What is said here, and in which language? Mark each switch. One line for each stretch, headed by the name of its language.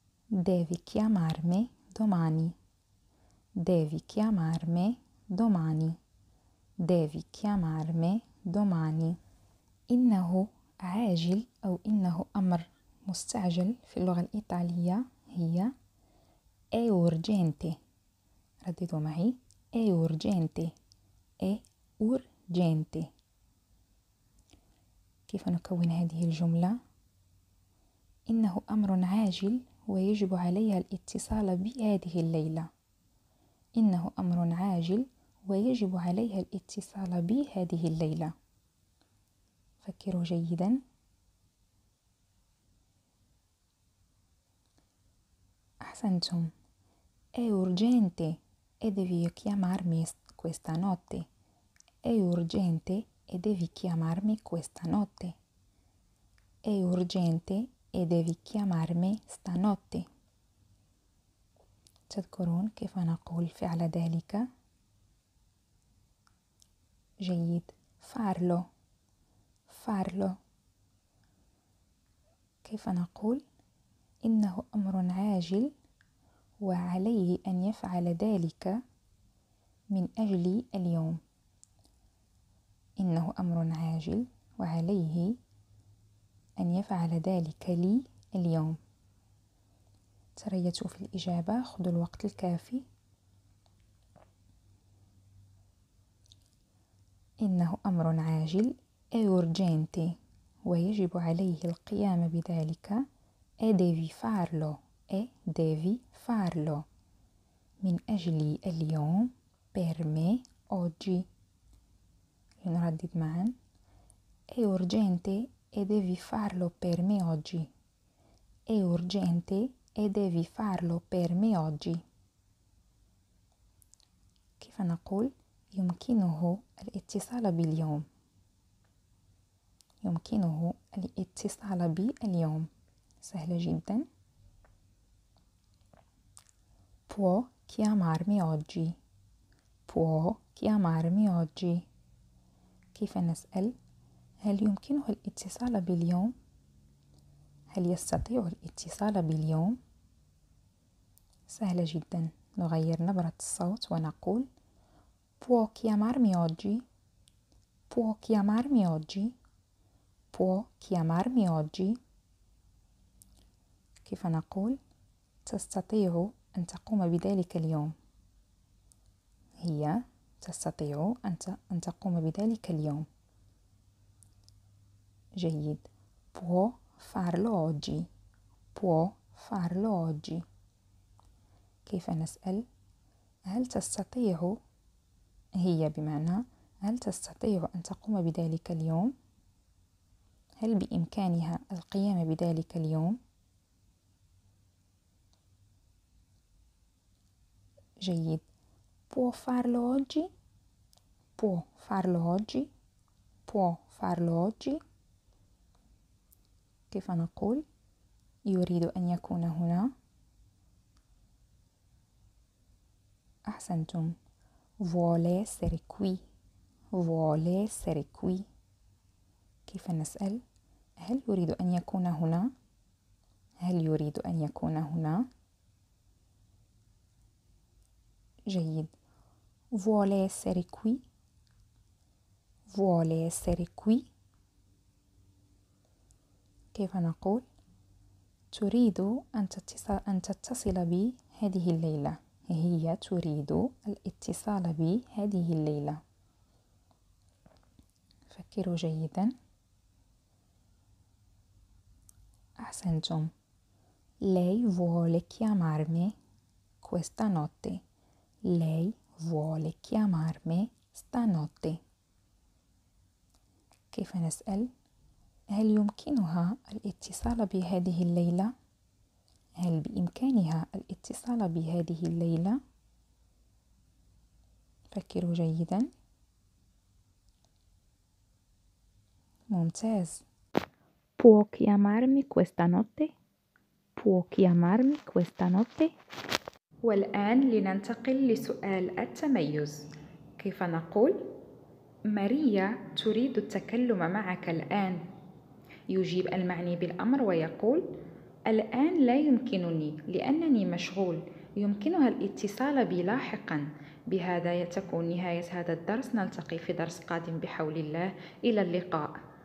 Italian: devi chiamarmi domani، devi chiamarmi domani، devi chiamarmi domani.
Arabic: إنه عاجل أو إنه أمر مستعجل في اللغة الإيطالية هي
Italian: è urgente.
Arabic: رددوا معي،
Italian: è urgente، è urgente.
Arabic: كيف نكون هذه الجملة؟ إنه أمر عاجل ويجب عليها الاتصال بي هذه الليلة. إنه أمر عاجل ويجب عليها الاتصال بي هذه الليلة. فكروا جيدا. أحسنتم.
Italian: è urgente e devi chiamarmi questa notte، è urgente e devi chiamarmi questa notte، è urgente e devi chiamarmi stanotte.
Arabic: تذكرون كيف نقول فعل ذلك؟ جيد.
Italian: farlo farlo،
Arabic: كيف نقول إنه أمر عاجل وعليه أن يفعل ذلك من أجل اليوم؟ إنه أمر عاجل وعليه أن يفعل ذلك لي اليوم. تريثوا في الإجابة، خذوا الوقت الكافي. إنه أمر عاجل
Italian: è urgente،
Arabic: ويجب عليه القيام بذلك.
Italian: e devi farlo، e devi farlo،
Arabic: من أجل اليوم،
Italian: per me oggi.
Arabic: لنردد معا،
Italian: è urgente e devi farlo per me oggi، è urgente e devi farlo per me oggi.
Arabic: كيف نقول يمكنه الاتصال باليوم؟ يمكنه الاتصال بي اليوم، سهلة جدا.
Italian: può chiamarmi oggi، può chiamarmi oggi،
Arabic: كيف نسأل هل يمكنه الاتصال باليوم؟ هل يستطيع الاتصال باليوم؟ سهلة جدا، نغير نبرة الصوت ونقول
Italian: può chiamarmi oggi، può chiamarmi oggi، può chiamarmi oggi.
Arabic: كيف نقول تستطيع أن تقوم بذلك اليوم؟ هي تستطيع أن تقوم بذلك اليوم. جيد.
Italian: può farlo oggi، può فارلو أوجي.
Arabic: كيف نسأل؟ هل تستطيع، هي بمعنى هل تستطيع أن تقوم بذلك اليوم؟ هل بإمكانها القيام بذلك اليوم؟ جيد.
Italian: può farlo oggi؟ può farlo oggi؟ può farlo oggi؟
Arabic: كيف نقول يريد أن يكون هنا؟ أحسنتم.
Italian: vuole essere qui. vuole essere qui.
Arabic: كيف نسأل؟ هل يريد أن يكون هنا؟ هل يريد أن يكون هنا؟ جيد.
Italian: vuole essere qui. vuole essere qui.
Arabic: كيف نقول تريد أن تتصل بي هذه الليلة؟ هي تريد الاتصال بي هذه الليلة. فكروا جيدا. أحسنتم.
Italian: lei vuole chiamarmi questa notte. lei vuole chiamarmi stanotte.
Arabic: كيف نسأل هل يمكنها الاتصال بهذه الليلة؟ هل بإمكانها الاتصال بهذه الليلة؟ فكروا جيدا. ممتاز.
Italian: può chiamarmi questa notte؟ può chiamarmi questa notte؟
Arabic: والآن لننتقل لسؤال التميز. كيف نقول ماريا تريد التكلم معك الآن؟ يجيب المعني بالأمر ويقول الآن لا يمكنني لأنني مشغول، يمكنها الاتصال بي لاحقا. بهذا تكون نهاية هذا الدرس، نلتقي في درس قادم بحول الله. إلى اللقاء.